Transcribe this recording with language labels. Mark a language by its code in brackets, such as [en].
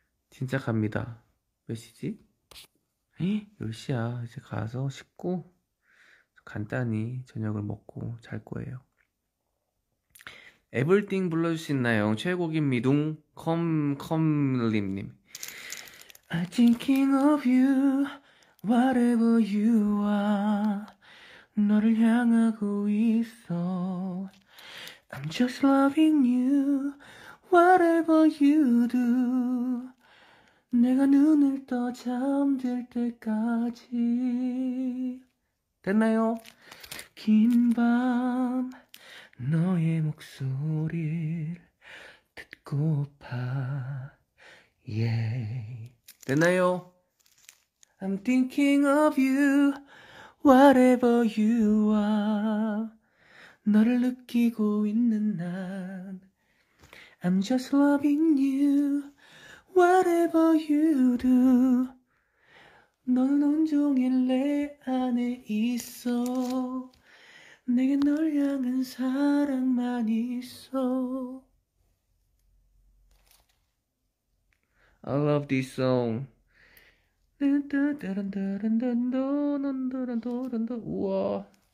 [ko] 진짜 갑니다. 몇 시지? 에이, 10시야. 이제 가서 씻고 간단히 저녁을 먹고 잘 거예요. 에블띵 불러주실 수 있나요? [en] 최고기미둥 컴컴 님. I'm thinking of you Whatever you are, [ko] 너를 향하고 있어. [en] I'm just loving you, whatever you do. [ko] 내가 눈을 떠 잠들 때까지. 됐나요? 긴 밤, 너의 목소리를 듣고파. Yeah. 됐나요? [en] I'm thinking of you, whatever you are. [ko] 너를 느끼고 있는 난, [en] I'm just loving you, whatever you do. [ko] 너는 온종일 내 안에 있어. 내게 널 향한 사랑만 있어. [en] I love this song. [ko] 우와.